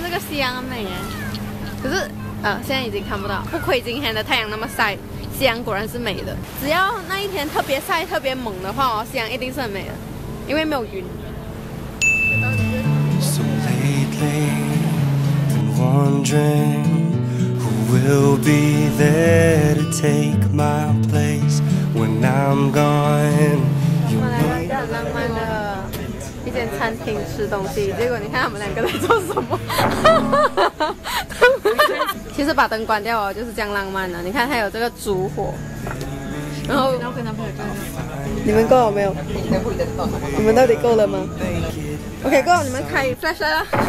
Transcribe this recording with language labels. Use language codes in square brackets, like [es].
[zh] 夕阳很美耶，可是现在已经看不到，不亏今天的太阳那么晒，夕阳果然是美的。只要那一天特别晒特别猛的话，夕阳一定是很美的，因为没有云。 [en] So lately, been wondering who will be there to take my place when I'm gone. [zh] 我们来到一个浪漫的一间餐厅吃东西，结果你看他们两个在做什么？其实把灯关掉哦，就是这样浪漫的。你看还有这个烛火，然后跟男朋友你们够了没有？你们到底够了吗？OK， 各位你们开 flash 来了。